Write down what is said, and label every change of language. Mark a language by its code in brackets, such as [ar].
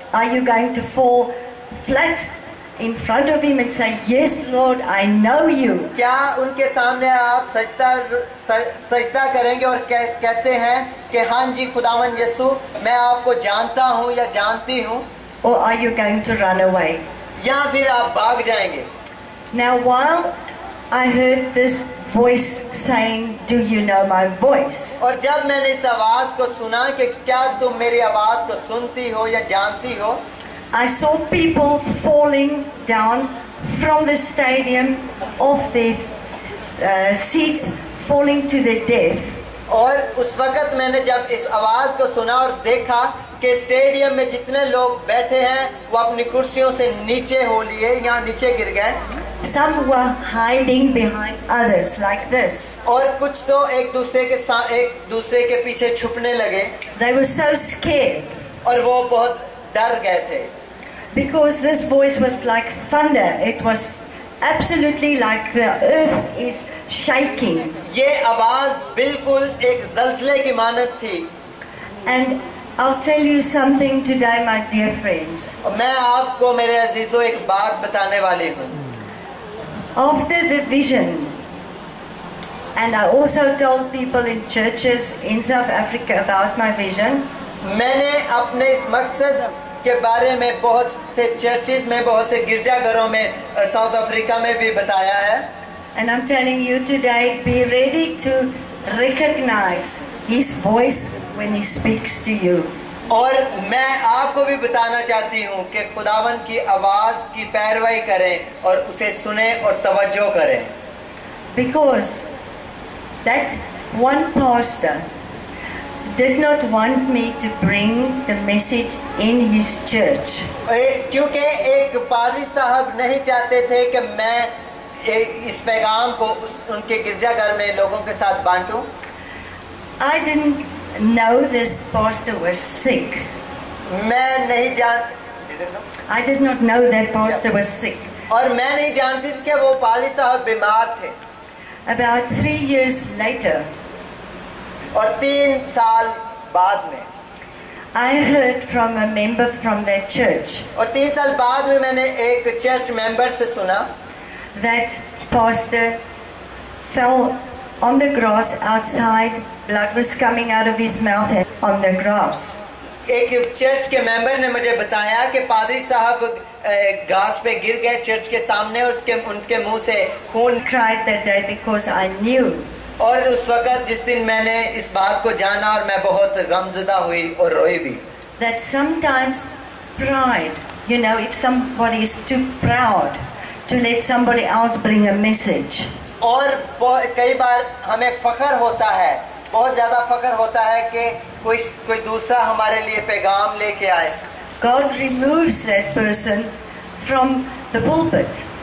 [en] Are you going to fall flat in front of him and say, "Yes, Lord, I know you"? [hi] क्या उनके सामने आप सजदा करेंगे और कहते हैं कि हाँ जी खुदावन यीशु मैं आपको जानता हूँ या जानती हूँ? [en] Or are you going to run away? [hi] या फिर आप भाग जाएंगे? [en] Now while I heard this voice saying, "Do you know my voice?" [hi] और जब मैंने इस आवाज को सुना कि क्या तुम मेरी आवाज को सुनती हो या जानती हो? [en] I saw people falling down from the stadium off their seats, falling to their death. [hi] और उस वक्त मैंने जब इस आवाज को सुना और देखा कि स्टेडियम में जितने लोग बैठे हैं वो अपनी कुर्सियों से नीचे हो लिए या नीचे गिर गए. [en] Some were hiding behind others like this. [hi] और कुछ तो एक दूसरे के पीछे छुपने लगे. [en] They were so scared. [hi] और वो बहुत डर गए थे. [en] Because this voice was like thunder. It was absolutely like the earth is shaking. [hi] ये आवाज बिल्कुल एक जलजले की मानत थी. [en] And I'll tell you something today, my dear friends. [hi] मैं आपको मेरे अजीजों एक बात बताने वाली हूँ. [en] After the vision, and I also told people in churches in South Africa about my vision. [hi] मैंने अपने इस मकसद के बारे में बहुत से चर्चेज में बहुत से गिरजाघरों में साउथ अफ्रीका में भी बताया है. [en] And I'm telling you today, be ready to recognize his voice when he speaks to you. [hi] और मैं आपको भी बताना चाहती हूँ कि खुदावन की आवाज की पैरवाई करें और उसे सुने और तवज्जो करें. [en] Because that one pastor, did not want me to bring the message in his church. [hi] क्योंकि एक पादरी साहब नहीं चाहते थे कि मैं इस पैगाम को उनके गिरजाघर में लोगों के साथ बांटूं. [en] I didn't know this pastor was sick. [hi] मैं नहीं जानती. [en] I did not know that pastor was sick. [hi] और मैं नहीं जानती कि वो पादरी साहब बीमार थे. [en] About 3 years later. [hi] और 3 साल बाद में. [en] I heard from a member from that church. [hi] और 3 साल बाद में मैंने एक चर्च मेंबर से सुना. [en] That pastor fell on the grass outside. Blood was coming out of his mouth on the grass. [hi] एक चर्च के मेंबर ने मुझे बताया कि पादरी साहब घास पे गिर गए चर्च के सामने और उनके मुंह से खून. [en] Cried that day because I knew. [hi] और उस वक्त जिस दिन मैंने इस बात को जाना और मैं बहुत गमजदा हुई और रोई भी. [en] That sometimes pride, you know, if somebody is too proud to let somebody else bring a message. [hi] और कई बार हमें फखर होता है, बहुत ज्यादा फखर होता है कि कोई दूसरा हमारे लिए पैगाम लेके आए. [en] God removes that person from the pulpit.